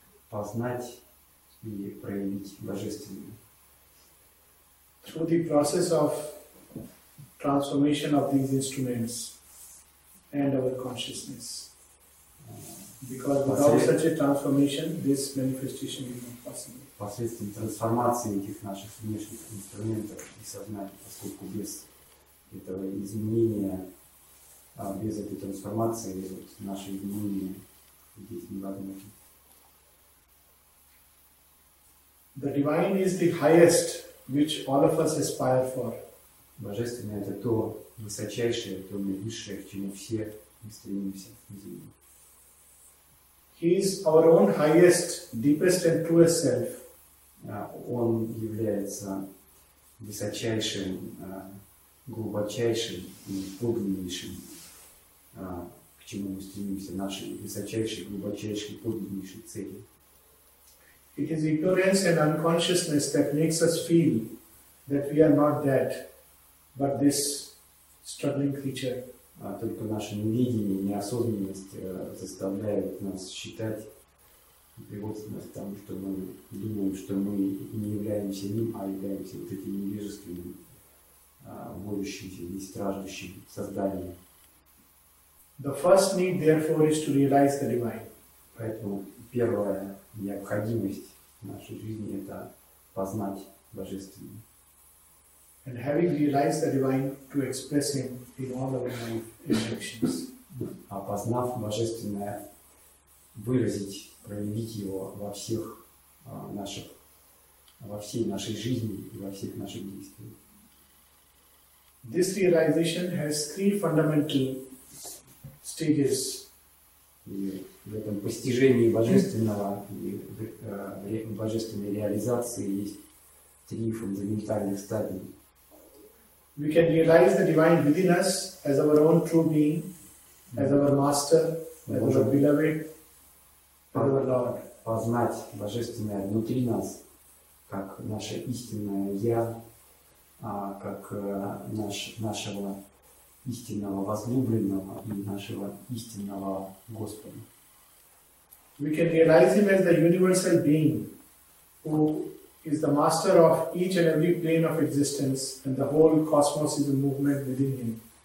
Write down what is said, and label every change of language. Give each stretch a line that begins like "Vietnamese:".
Russian: Познать и проявить божественное.
English: Through the process of transformation of these instruments and our consciousness. Because without such a transformation, this manifestation is not possible.
Russian: Посредством трансформации этих наших внешних инструментов и сознания, поскольку без этого изменения, без этой трансформации, без вот нашей изменения, здесь невозможно.
English: The divine is the highest which all of us aspire for.
Russian: Божественное — это то высочайшее, то наивысшее, к чему все мы стремимся на Земле.
English: He is our own highest, deepest and truest self.
Russian: Он является высочайшим, глубочайшим и глубиннейшим, к чему мы стремимся, нашей высочайшей, глубочайшей, подлиннейшей цели.
English: It is ignorance and unconsciousness that makes us feel that we are not that, but this struggling creature.
Russian: Только наше невидение, неосознанность заставляет нас считать, приводит нас к тому, что мы думаем, что мы не являемся ним, а являемся вот этим невежественным, воющимся и страждущим созданием.
English: The first need, therefore, is to realize the divine.
Russian: Поэтому первая необходимость в нашей жизни – это познать Божественное.
English: And having realized the divine, to express Him in all of our actions.
Russian: А познав Божественное, выразить, проявить Его во всех наших, во всей нашей жизни и во всех наших действиях.
English: This realization has three fundamental stages.
Russian: В этом постижении божественного и божественной реализации есть три фундаментальных стадии.
English: We can realize the divine within us as our own true being, as our master, as our beloved, as our Lord.
Russian: Познать божественное внутри нас, как наше истинное я, как нашего истинного возлюбленного и нашего истинного Господа.
English: We can realize him as the universal being who is the master of each and every plane of existence, and the whole cosmos is a movement within him.